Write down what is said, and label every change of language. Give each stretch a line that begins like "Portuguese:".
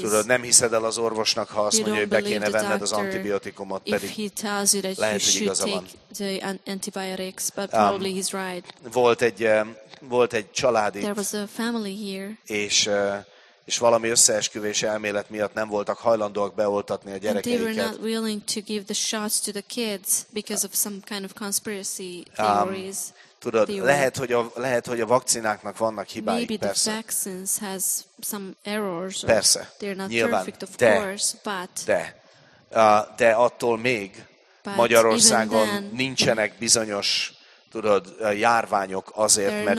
Hungarian: Tudod, nem hiszed el az orvosnak, ha azt mondja, hogy be kéne venned az antibiotikumot, pedig lehet, hogy igaza van.
English: The antibiotics, but probably he's right.
Hungarian: Volt egy család itt,
English: there was a family here.
Hungarian: És valami összeesküvés elmélet miatt nem voltak hajlandóak beoltatni a gyerekeiket.
English: And they were not willing to give the shots to the kids because of some kind of conspiracy theories.
Hungarian: Tudod, lehet, hogy a vakcináknak vannak hibái,
English: maybe
Hungarian: persze.
English: The vaccines has some errors,
Hungarian: persze.
English: They're not
Hungarian: nyilván,
English: perfect, of course, but
Hungarian: de attól még Magyarországon nincsenek bizonyos, tudod, járványok azért, mert